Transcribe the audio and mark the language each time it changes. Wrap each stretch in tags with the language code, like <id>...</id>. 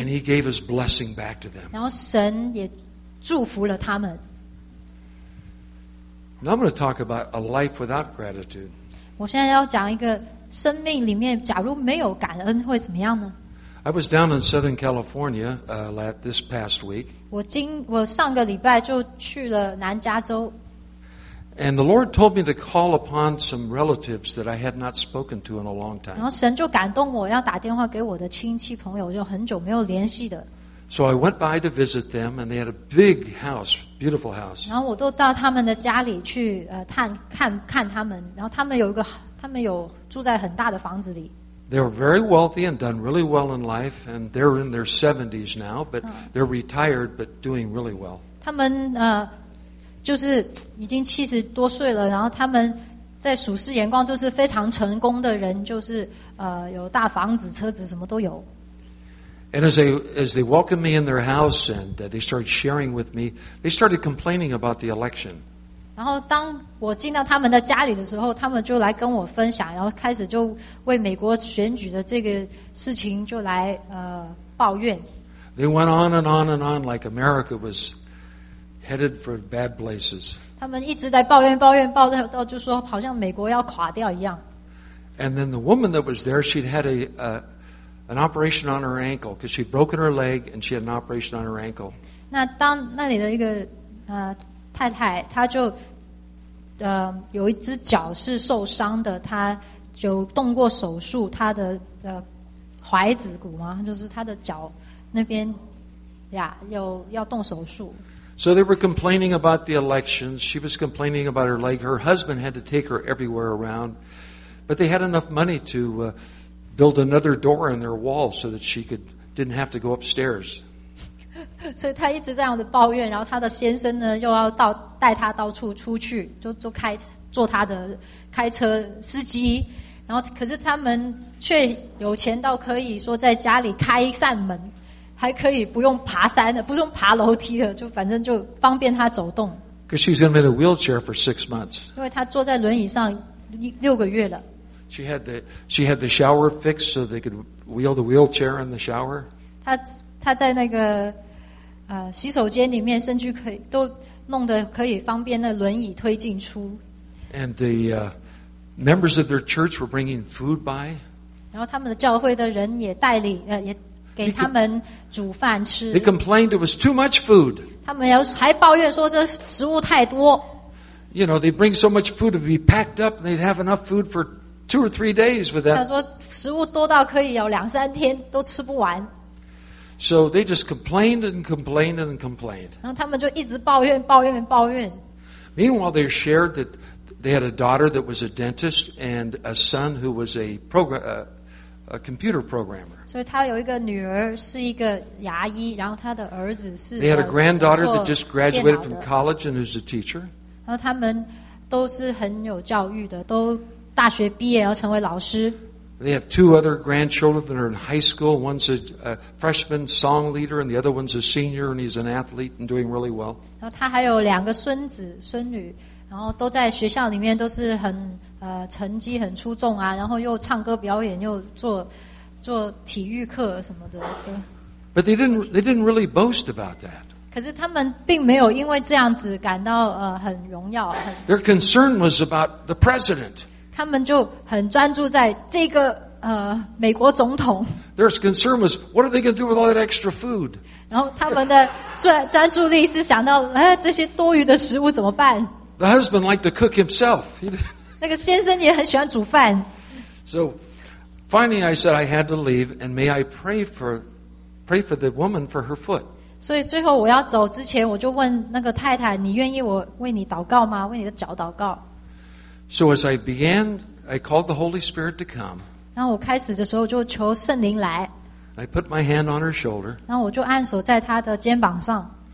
<en>and he gave his blessing back to them.</en> <zh>然后神也祝福了他们。</zh> <en>Now I'm going to talk about a life without gratitude.</en> <zh>我现在要讲一个生命里面假如没有感恩会怎么样呢?</zh> <en>I was down in Southern California this past week.</en> <zh>我上个礼拜就去了南加州。</zh> <en>And the Lord told me to call upon some relatives that I had not spoken to in a long time.</en> <zh>然后神就感动我要打电话给我的亲戚朋友，就很久没有联系的。</zh> <en>So I went by to visit them, and they had a big house, beautiful house.</en> <zh>然后我都到他们的家里去看他们，然后他们有住在很大的房子里。</zh> <en>They were very wealthy and done really well in life, and they're in their 70s now, but they're retired, but doing really well.</en> <zh>他们就是已经七十多岁了，然后他们在属世眼光都是非常成功的人，就是有大房子、车子，什么都有。</zh> <en>And as they welcomed me in their house and they started sharing with me, they started complaining about the election.</en> <zh>然后当我进到他们的家里的时候，他们就来跟我分享，然后开始就为美国选举的这个事情就来抱怨。</zh> <en>They went on and on and on like America was headed for bad places.</en> <zh>他们一直在抱怨抱怨抱怨到就说好像美国要垮掉一样。</zh> <en>And then the woman that was there, she'd had an operation on her ankle because she'd broken her leg and she had an operation on her ankle.</en> <zh>那当那里的一个太太，她就有一只脚是受伤的，她就动过手术，她的踝子骨嘛，就是她的脚那边呀，又要动手术。</zh> <en>So they were complaining about the elections. She was complaining about her leg. Her husband had to take her everywhere around, but they had enough money to build another door in their wall so that she didn't have to go upstairs.</en> <zh>所以她一直这样的抱怨，然后她的先生呢又要带她到处出去，就开做她的开车司机，然后可是他们却有钱到可以说在家里开一扇门，还可以不用爬山的，不用爬楼梯的，就反正就方便她走动。</zh> <en>Because she was going to be in a wheelchair for 6 months.</en> <zh>因为她坐在轮椅上6个月了。</zh> <en>She had the shower fixed so they could wheel the wheelchair in the shower.</en> <zh>她在那个洗手间里面甚至可以都弄得可以方便那轮椅推进出。</zh> <en>And the members of their church were bringing food by.</en> <zh>然后他们的教会的人也带领也给他们煮饭吃。</zh> <en>They complained it was too much food.</en> <zh>他们还抱怨说这食物太多。</zh> <en>You know, they bring so much food to be packed up and they'd have enough food for two or three days with that.</en> <zh>他说食物多到可以有两三天都吃不完。</zh> <en>So they just complained and complained and complained.</en> <zh>然后他们就一直抱怨抱怨抱怨。</zh> <en>Meanwhile, they shared that they had a daughter that was a dentist and a son who was a computer programmer.</en> <zh>所以他有一个女儿是一个牙医，然后他的儿子是。</zh> <en>They had a granddaughter that just graduated from college and is a teacher.</en> <zh>然后他们都是很有教育的，都。大学毕业要成为老师。</zh> <en>They have two other grandchildren that are in high school. One's a freshman song leader, and the other one's a senior, and he's an athlete and doing really well.</en> <zh>然后他还有两个孙子孙女，然后都在学校里面都是很成绩很出众啊，然后又唱歌表演，又做体育课什么的。对。</zh> <en>But they didn't really boast about that.</en> <zh>可是他们并没有因为这样子感到很荣耀。</zh> <en>Their concern was about the president.</en> <zh>他们就很专注在这个美国总统。</zh> <en>Their concern was, what are they going to do with all that extra food?</en> <zh>然后他们的专注力是想到，这些多余的食物怎么办？</zh> <en>The husband liked to cook himself.</en> <zh>那个先生也很喜欢煮饭。</zh> <en>So, finally, I said I had to leave, and may I pray for the woman for her foot?</en> <zh>所以最后我要走之前，我就问那个太太，你愿意我为你祷告吗？为你的脚祷告。</zh> <en>So as I began, I called the Holy Spirit to come.</en> <zh>然后我开始的时候就求圣灵来。</zh> <en>I put my hand on her shoulder.</en> <zh>然后我就按手在她的肩膀上。</zh>